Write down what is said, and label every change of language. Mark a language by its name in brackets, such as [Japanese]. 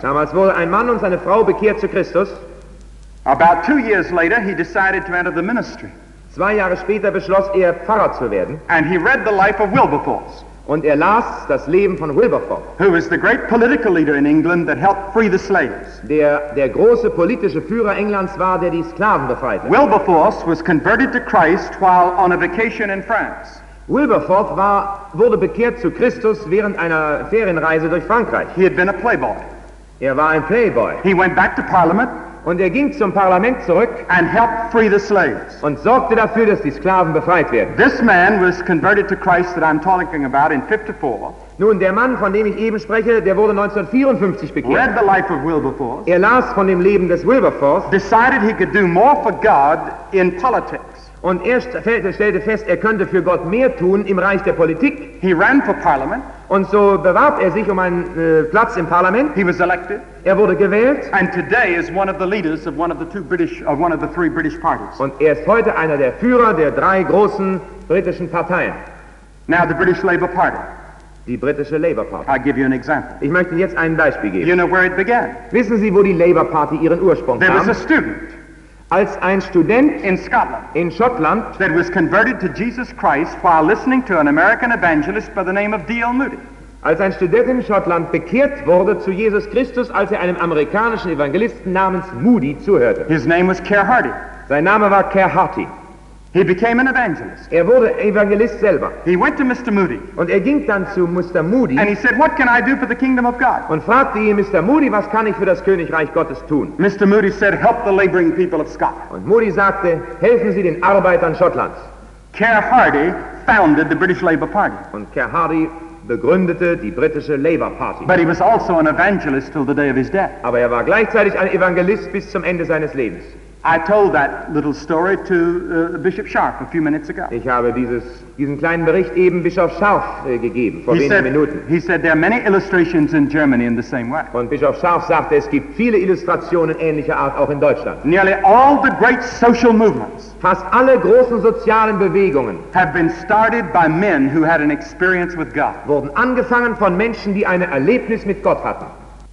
[German] Damals wurde ein Mann und seine Frau bekehrt zu Christus. [English] About 2 years later, he decided to enter the ministry. [German] 2 Jahre später beschloss er, Pfarrer zu werden. [English] And he read the life of Wilberforce. [German] Und er las das Leben von Wilberforce. [English] Who was the great political leader in England that helped free the slaves. [German] Der große politische Führer Englands war, der die Sklaven befreite. [English] Wilberforce was converted to Christ while on a vacation in France. [German] Wilberforce wurde bekehrt zu Christus während einer Ferienreise durch Frankreich. [English] He had been a playboy. [German] Er war ein Playboy. [English] He went back to Parliament. [German] Und ging zum Parlament zurück [English] and helped free the slaves. [German] Und sorgte dafür, dass die Sklaven befreit werden. [English] This man was converted to Christ that I'm talking about in 54. [German] Nun, der Mann, von dem ich eben spreche, der wurde 1954 bekehrt. [English] Read the life of Wilberforce. [German] Er las von dem Leben des Wilberforce. [English] Decided he could do more for God in politics. [German] Und stellte fest, könnte für Gott mehr tun im Reich der Politik. [English] He ran for Parliament. [German] Und so bewarb sich um einen Platz im Parlament. [English] He was elected. [German] Er wurde gewählt. [English] And today is one of the leaders of one of the three British parties. [German] Und ist heute einer der Führer der drei großen britischen Parteien. [English] Now the British Labour Party. [German] Die britische Labour Party. [English] I give you an example. [German] Ich möchte jetzt ein Beispiel geben. [English] You know where it began. [German] Wissen Sie, wo die Labour Party ihren Ursprung [English] There [German] nahm? [English] There was a student. [German] Als ein Student [English] in Scotland, [German] in Schottland, [English] that was converted to Jesus Christ while listening to an American evangelist by the name of D.L. Moody. [German] Als ein Student in Schottland bekehrt wurde zu Jesus Christus, als einem amerikanischen Evangelisten namens Moody zuhörte. [English] His name was Ker Hardy. [German] Sein Name war Ker Hardy. [English] He became an evangelist. [German] Wurde Evangelist selber. [English] He went to Mr. Moody. [German] Und ging dann zu Mr. Moody. [English] And he said, "What can I do for the kingdom of God?" [German] Und fragte ihn, Mr. Moody, was kann ich für das Königreich Gottes tun? Mr. [English] Moody said, "Help the laboring people of Scotland." [German] Und Moody sagte, helfen Sie den Arbeitern Schottlands. [English] Ker Hardy founded the British Labour Party. [German] Und Ker Hardy begründete die britische Labour Party. [English] But he was also an evangelist till the day of his death. [German] Aber war gleichzeitig ein Evangelist bis zum Ende seines Lebens. [English] I told that little story to Bishop Scharf a few minutes ago. [German] Ich habe diesen kleinen Bericht eben Bischof Scharf gegeben vor wenigen Minuten. [English] He said there are many illustrations in Germany in the same way. [German] Und Bischof Scharf sagte, es gibt viele Illustrationen ähnlicher Art auch in Deutschland. [English] Nearly all the great social movements, [German] fast alle großen sozialen Bewegungen, [English] have been started by men who had an experience with God. [German] Wurden angefangen von Menschen, die eine Erlebnis mit Gott hatten.